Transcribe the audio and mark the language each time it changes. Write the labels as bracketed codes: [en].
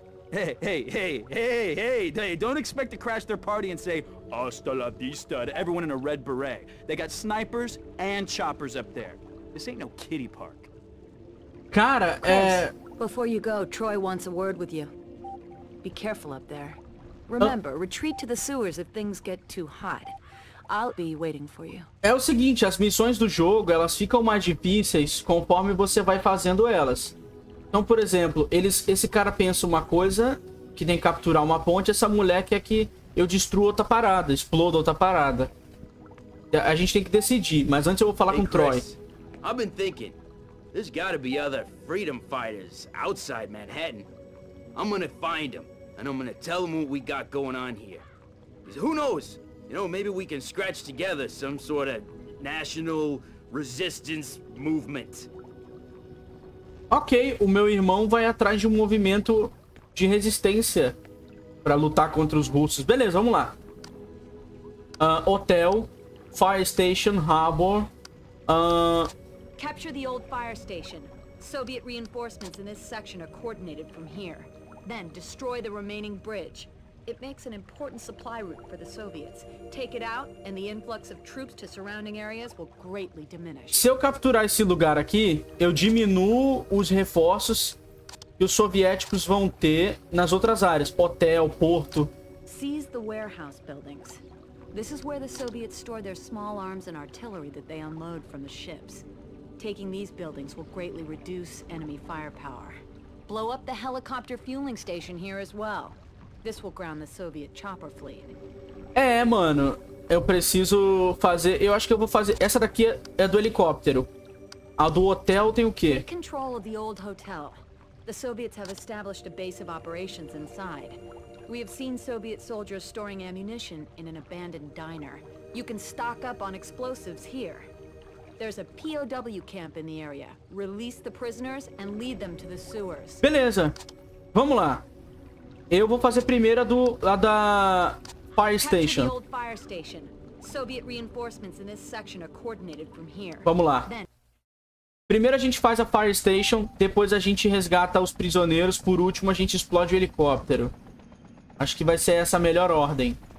[en] Hey, don't expect to crash their party and say, hasta la vista to everyone in a red beret. They got snipers and choppers up there. This ain't no kiddie park. [pt] Cara, [en] Before you go, Troy wants a word with you. Be careful up there. Remember, retreat to the sewers if things get too hot. I'll be waiting for you. [pt] É o seguinte, as missões do jogo, elas ficam mais difíceis conforme você vai fazendo elas. Então, por exemplo, esse cara pensa uma coisa, que tem que capturar uma ponte, essa mulher quer que eu destrua outra parada, exploda outra parada. A gente tem que decidir, mas antes eu vou falar com Troy. [en] I've been thinking, there's gotta be other freedom fighters outside Manhattan. I'm gonna find them, and I'm gonna tell them what we got going on here. Because who knows? You know, maybe we can scratch together some sort of national resistance movement. [pt] Ok, o meu irmão vai atrás de um movimento de resistência para lutar contra os russos. Beleza, vamos lá. [en] Hotel, Fire Station, Harbor. Capture the old fire station. Soviet reinforcements in this section are coordinated from here. Then destroy the remaining bridge. It makes an important supply route for the Soviets. Take it out and the influx of troops to surrounding areas will greatly diminish. [pt] Se eu capturar esse lugar aqui, eu diminuo os reforços que os soviéticos vão ter nas outras áreas, hotel, porto. [en] Seize the warehouse buildings. This is where the Soviets store their small arms and artillery that they unload from the ships. Taking these buildings will greatly reduce enemy firepower. Blow up the helicopter fueling station here as well. This will ground the Soviet chopper fleet. [pt] É, mano. Eu preciso fazer... Eu acho que eu vou fazer... Essa daqui é do helicóptero. A do hotel tem o quê? [en] Take control of the old hotel. The Soviets have established a base of operations inside. We have seen Soviet soldiers storing ammunition in an abandoned diner. You can stock up on explosives here. There's a POW camp in the area. Release the prisoners and lead them to the sewers. [pt] Beleza. Vamos lá. Eu vou fazer primeiro a da Fire Station. [en] Soviet reinforcements in this section are coordinated from here. [pt] Vamos lá. Primeiro a gente faz a Fire Station, depois a gente resgata os prisioneiros, por último a gente explode o helicóptero. Acho que vai ser essa a melhor ordem.